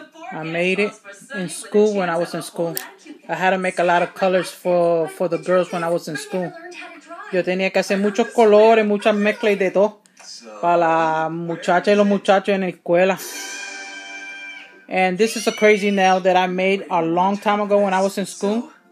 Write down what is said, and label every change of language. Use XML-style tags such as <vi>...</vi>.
<en>I made it in school when I was in school. I had to make a lot of colors for the girls when I was in school.</en> <es>Yo tenía que hacer muchos colores, muchas mezclas de todo para las muchachas y los muchachos en la escuela.</es> <en>And this is a crazy nail that I made a long time ago when I was in school.</en>